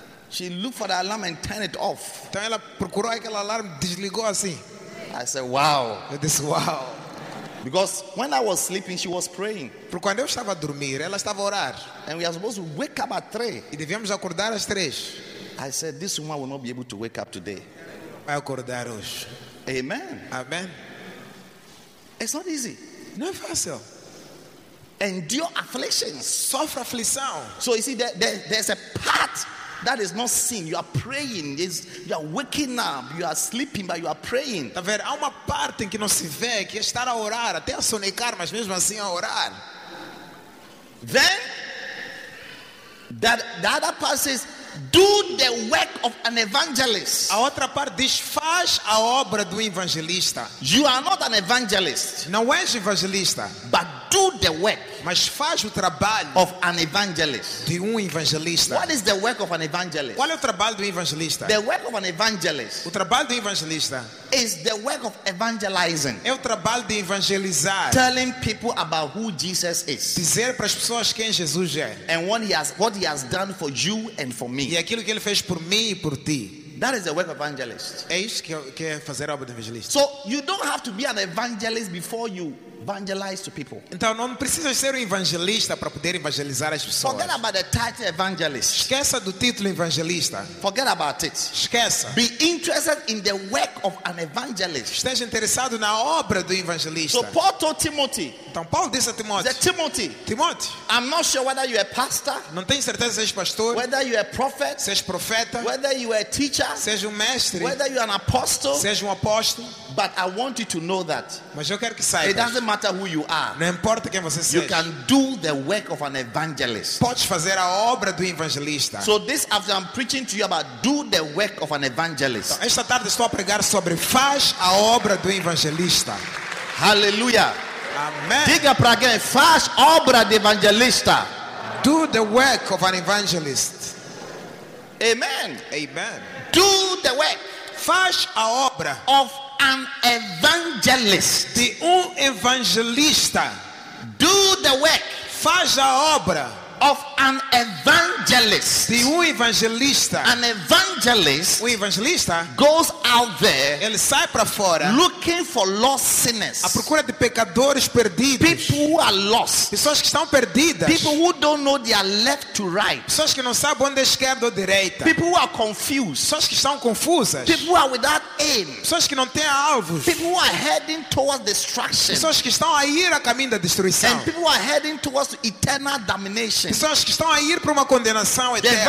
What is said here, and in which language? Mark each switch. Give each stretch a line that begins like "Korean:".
English: She looked for the alarm and turned it off.
Portuguese: Então ela procurou aquele alarme, desligou assim.
English: I said, wow.
Portuguese: Eu disse, wow.
English: Because when I was sleeping, she was praying.
Portuguese: Porque quando eu estava a dormir, ela estava a orar.
English: And we are supposed to wake up at 3.
Portuguese: E devíamos acordar às 3.
English: I said, this woman will not be able to wake up today.
Portuguese: Vai acordar hoje.
English: Amen. Amen. It's not easy.
Portuguese: Não é fácil.
English: Endure affliction.
Portuguese: Sofre aflição.
English: So you see, there's a path that is not seen. You are praying. You are waking up. You are sleeping, but you are praying.
Portuguese: Tá vendo? Há uma parte em que não se vê, que é estar a orar, até a sonecar, mas mesmo assim a orar.
English: Then That the other part says, do the work of an evangelist.
Portuguese: A outra parte diz, faz a obra do evangelista.
English: You are not an evangelist.
Portuguese: Não és evangelista.
English: But do the work.
Portuguese: Mas faz o trabalho
English: of an evangelist.
Portuguese: De evangelista.
English: What is the work of an evangelist?
Portuguese: Qual é o trabalho do evangelista?
English: The work of an evangelist.
Portuguese: O trabalho do evangelista
English: is the work of evangelizing.
Portuguese: É o trabalho de evangelizar.
English: Telling people about who Jesus is.
Portuguese: Dizer para as pessoas quem Jesus é.
English: And what he has done for you and for me.
Portuguese: E aquilo que ele fez por mim e por ti.
English: That is the work of evangelist.
Portuguese: É isso que é fazer a obra do evangelista.
English: So you don't have to be an evangelist before you evangelize to people.
Portuguese: Então não precisa ser evangelista para poder evangelizar as pessoas.
English: Forget about the title evangelist.
Portuguese: Esqueça do título evangelista.
English: Forget about it.
Portuguese: Esqueça.
English: Be interested in the work of an evangelist.
Portuguese: Esteja interessado na obra do evangelista.
English: So Paul told Timothy.
Portuguese: Então Paulo disse a Timóteo.
English: Timothy.
Portuguese: Timóteo.
English: I'm not sure whether you are pastor.
Portuguese: Não tenho certeza se és pastor.
English: Whether you are prophet.
Portuguese: Se és profeta.
English: Whether you are teacher.
Portuguese: Se és mestre.
English: Whether you are an apostle.
Portuguese: Se és apóstolo.
English: But I want you to know that.
Portuguese: Mas eu quero que saibas.
English: It doesn't matter who you are.
Portuguese: Não importa quem você seja.
English: You can do the work of an evangelist.
Portuguese: Podes fazer a obra do evangelista.
English: So this after I'm preaching to you about do the work of an evangelist.
Portuguese: Então, esta tarde estou a pregar sobre faz a obra do evangelista.
English: Hallelujah. Amen.
Portuguese: Diga para alguém, faz obra de evangelista.
English: Do the work of an evangelist. Amen. Amen. Do the work.
Portuguese: Faz a obra
English: of an evangelist.
Portuguese: De evangelista.
English: Do the work.
Portuguese: Faz a obra
English: of an evangelist.
Portuguese: De evangelista.
English: An evangelist.
Portuguese: O evangelista
English: goes out there.
Portuguese: Ele sai para fora.
English: Looking for lost sinners.
Portuguese: À procura de pecadores perdidos.
English: People who are lost.
Portuguese: Pessoas que estão perdidas.
English: People who don't know their left to right.
Portuguese: Pessoas que não sabem onde é esquerda ou direita.
English: People who are confused.
Portuguese: Pessoas que estão confusas.
English: People who are without aim.
Portuguese: Pessoas que não têm alvos.
English: People who are heading towards destruction.
Portuguese: Pessoas que estão a ir a caminho da destruição.
English: And people who are heading towards eternal damnation.
Portuguese: Pessoas que estão a ir para uma condenação eterna.